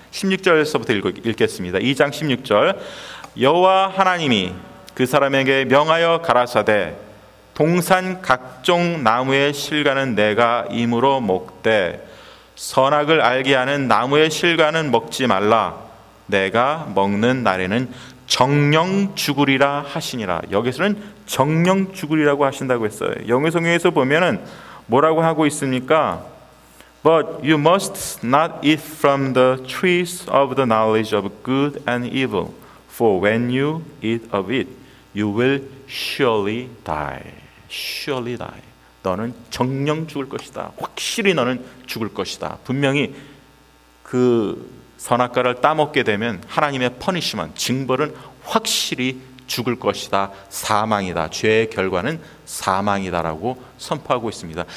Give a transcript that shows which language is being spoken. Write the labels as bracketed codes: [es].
[ko] 16절에서부터 읽겠습니다. 2장 16절 여호와 하나님이 그 사람에게 명하여 가라사대 동산 각종 나무의 실과는 내가 임으로 먹되 선악을 알게 하는 나무의 실과는 먹지 말라 내가 먹는 날에는 정령 죽으리라 하시니라. 여기서는 정령 죽으리라고 하신다고 했어요. 영어성경에서 보면은 뭐라고 하고 있습니까? [en] But you must not eat from the trees of the knowledge of good and evil for when you eat of it you will surely die. Surely die. [ko] 너는 정녕 죽을 것이다. 확실히 너는 죽을 것이다. 분명히 그 선악과를 따먹게 되면 하나님의 punishment, 징벌은 확실히 죽을 것이다. 사망이다. 죄의 결과는 사망이다라고 선포하고 있습니다.